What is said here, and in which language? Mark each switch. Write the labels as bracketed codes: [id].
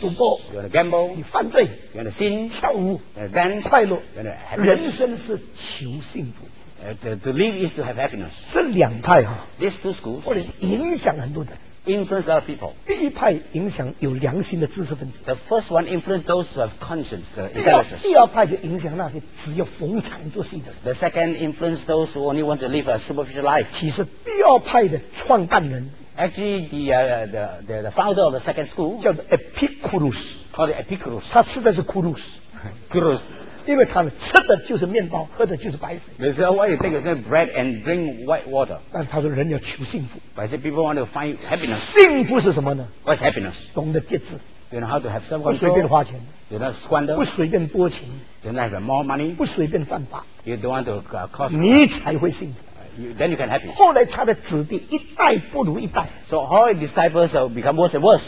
[zh] 赌博 [en] you want to gamble, [zh] 你犯罪 [en] you want to sin, [zh] 跳舞 [en] you want to dance, [zh] 快乐 [en] you want to have [zh] 人生是求幸福 [en] to live is to have happiness. [zh] 这两派啊 [en] these two schools, [zh] 或者影响很多人 [en] influence other people. [zh] 第一派影响有良心的知识分子 [en] the first one influence those who have conscience, intelligence. [zh] 第二派就影响那些只有逢场作戏的人 [en] the second influence those who only want to live a superficial life. [zh] 其实第二派的创办人 [en] Actually, the founder of the second school [zh] 叫做 Epicurus, [en] called Epicurus. [zh] 他吃的是 Kurus, [en] Kurus, [zh] 因为他们吃的就是面包，喝的就是白水。 [en] They said, "Why you think you say bread and drink white water?" [zh] 但是他说人要求幸福。 [en] But I said, "People want to find happiness." [zh] 幸福是什么呢 [en] ？What's happiness? [zh] 懂得节制。 [en] You know how to have self-control. [zh] 不随便花钱。 [en] You know, squander. [zh] 不随便多钱。 [en] You know, have more money. [zh] 不随便犯法。 [en] You don't want to cause. [zh] 你才会幸福。 [en] Then you can happy. [zh] 后来他的子弟一代不如一代。 [en] So all his disciples have become worse and worse.